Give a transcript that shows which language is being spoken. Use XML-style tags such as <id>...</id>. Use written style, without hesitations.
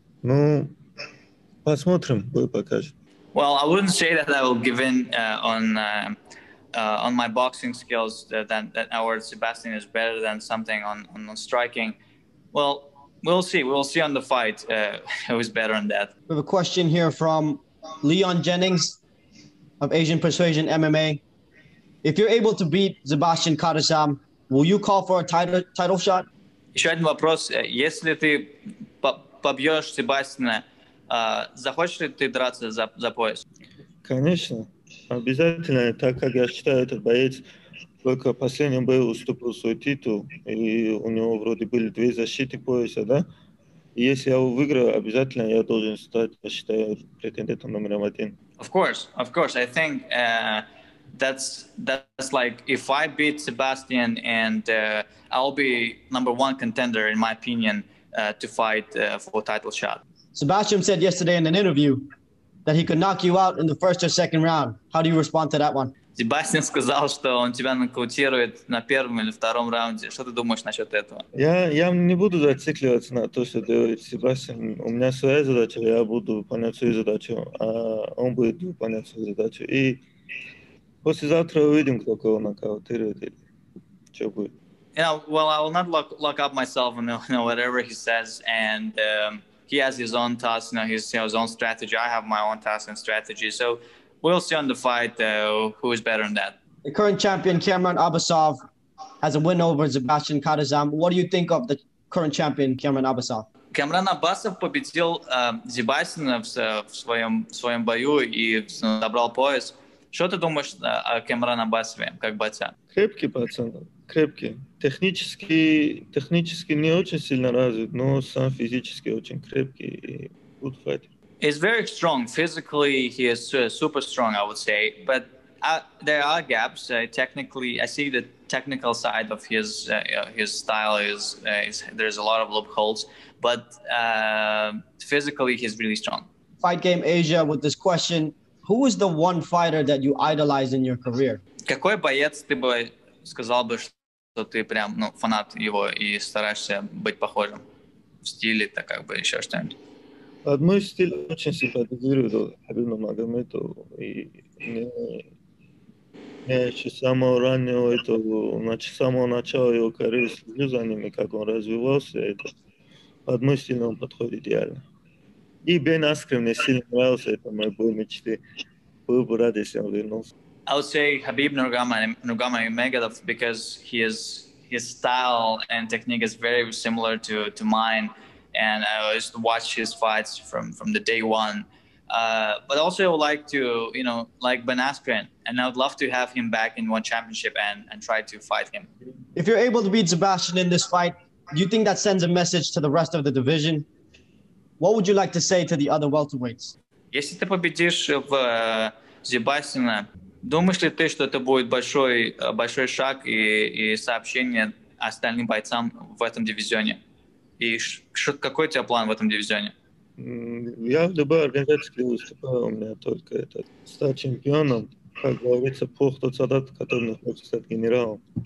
<ru>Ну, посмотрим, бой покажет.</ru> <en>Well, I wouldn't say that I will give in on my boxing skills that our Sebastian is better than something on striking. Well, we'll see. We'll see on the fight who is better on that. We have a question here from Leon Jennings of Asian Persuasion MMA. If you're able to beat Sebastian Kadasam, will you call for a title shot?</en> <ru>Еще один вопрос. Если ты побьешь Себастьяна, захочешь ли ты драться за пояс? Конечно, обязательно, так как я считаю, этот боец только в последнем бою уступил свой титул, и у него вроде были две защиты пояса, да? И если я его выиграю, обязательно я должен стать, я считаю, претендентом номером один.</ru> <en>Of course, I think that's like if I beat Sebastian and I'll be number one contender, in my opinion, to fight for a title shot. Sebastian said yesterday in an interview that he could knock you out in the first or second round. How do you respond to that one?</en> <ru>Sebastian сказал, что он тебя нокаутирует на первом или втором раунде. Что ты думаешь насчет этого? Я не буду зацикливаться на то, что делает Sebastian. У меня своя задача, я буду выполнять свою задачу, а он будет выполнять свою задачу. И послезавтра увидим, кто кого нокаутирует или что будет.</ru> <en>Yeah, well, I will not lock up myself in whatever he says and. He has his own task, his own strategy. I have my own task and strategy. So we'll see on the fight who is better than that. The current champion, Cameron Abasov, has a win over Sebastian Kadasam. What do you think of the current champion, Cameron Abasov?</en> <ru>Cameron Abasov победил Себастьяна в своем бою и забрал пояс. Что ты думаешь о Cameron Abasove как бойца? Крепкий пацан. Крепкий. Технически не очень сильно развит, но сам физически очень крепкий и</ru> <en>good fight. He's very strong. Physically, he is super strong, I would say. But there are gaps. Technically, I see the technical side of his style is there's a lot of loopholes. But physically, he's really strong. Fight Game Asia with this question. Who is the one fighter that you idolize in your career?</en> <ru>Какой боец ты бы сказал бы, что ты прям, ну, фанат его и стараешься быть похожим в стиле, так как бы еще что-нибудь. Мой стиль очень симпатизирует Хабибу Магомедову, и я еще самого раннего этого, значит, самого начала его карьеры следил за ним, как он развивался, это под мой стиль он подходит идеально. И Бен Аскрен мне сильно нравился, это мой бой мечты. Был бы рад, если он вернулся.</ru> <en>I would say Khabib Nurmagomedov because his style and technique is very similar to mine, and I used to watch his fights from the day one. But also I would like to, you know, like Ben Askren, and I would love to have him back in one championship and try to fight him. If you're able to beat Sebastian in this fight, do you think that sends a message to the rest of the division? What would you like to say to the other welterweights?</en> <ru>Если ты победишь в Зебастина, думаешь ли ты, что это будет большой шаг и сообщение остальным бойцам в этом дивизионе? И какой у тебя план в этом дивизионе? Я в любой организации выступаю, у меня только это стать чемпионом, как говорится, плох тот солдат, который не хочет стать генералом.</ru>